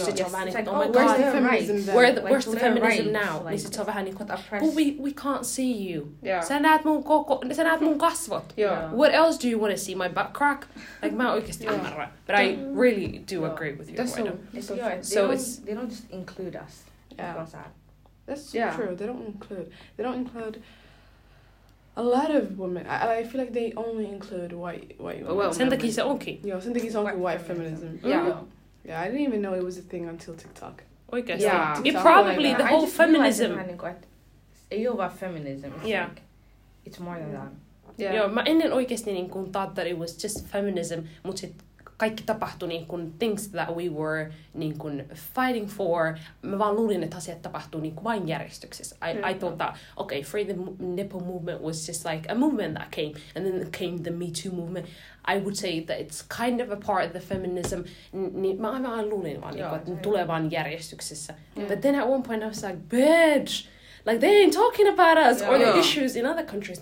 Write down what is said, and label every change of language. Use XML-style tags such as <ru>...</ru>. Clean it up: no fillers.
<fi>Sit se on vähän niin kuin,</fi> <en>oh my god, where's the feminism now?</en> <fi>Niin sit se on vähän niin kuin,</fi> <en>but we can't see you. Yeah.</en> <fi>Sä näet mun kasvot.</fi> <en>Yeah. What else do you want to see? My butt crack?</en> <fi>Like, mä oikeasti ymmärrän.</fi> <en>But I really do agree with you, Rueda. So it's, they don't just include us. Yeah, that's so true. They don't include a lot of women. I feel like they only include white women.</en> <fi>Well, sen takia se onkin. Joo, sen takia se onkin white feminism.</fi> <en>Yeah. Yeah, I didn't even know it was a thing until TikTok.</en> <fi>Oikeasti.</fi> <en>Yeah. TikTok. It probably the whole feminism.</en> <fi>Ei ole vaan feminism.</fi> <en>Yeah. It's more than that.</en> <fi>Yeah. Joo, mä ennen oikeasti niin kun</fi> <en>thought that it was just feminism,</en> <fi>mutta sit kaikki tapahtui niin kuin</fi> <en>things that we were</en> <fi>niin kuin</fi> <en>fighting for.</en> <fi>Mä vaan luulin, että asiat tapahtuu niin kuin vain järjestyksessä.</fi> <en>I thought that, okay, free the nipple movement was just like a movement that came. And then came the Me Too movement. I would say that it's kind of a part of the feminism.</en> <fi>Niin mä aivan luulin vaan, niin kuin, että ne tulee vain järjestyksessä.</fi> <en>Yeah. But then at one point I was like, bitch! Like, they ain't talking about us or the issues in other countries.</en>